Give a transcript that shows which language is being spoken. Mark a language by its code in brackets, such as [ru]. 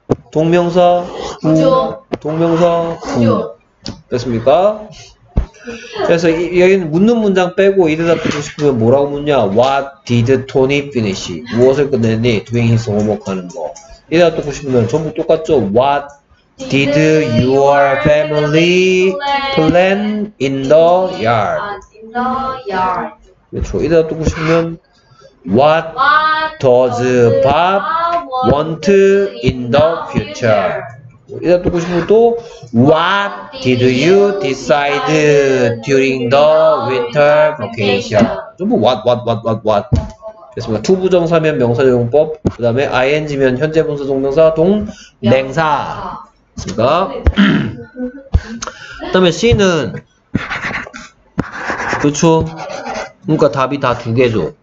[ko] 동명사, 구조, 동명사, 구조. 됐습니까? 그래서 여기는 묻는 문장 빼고 이 대답 듣고 싶으면 뭐라고 묻냐? [en] What did Tony finish? [ko] 무엇을 끝냈니? [en] Doing his homework [ko] 하는 거. 이 대답 듣고 싶으면 전부 똑같죠? [en] What did your family plan in the yard? In the yard. [ko] 그렇죠. 이 대답 듣고 싶으면 [en] What does Bob want in the future? [ko] 이따 듣고 싶으면 또 [en] What did you decide during the winter vacation? [ko] 전부 What 됐습니다. 투부정사면 명사적용법 그 다음에 ing면 현재분사 동명사 동냉사 됐습니까? 그 다음에 C는 그렇죠. 그러니까 답이 다 두 개죠.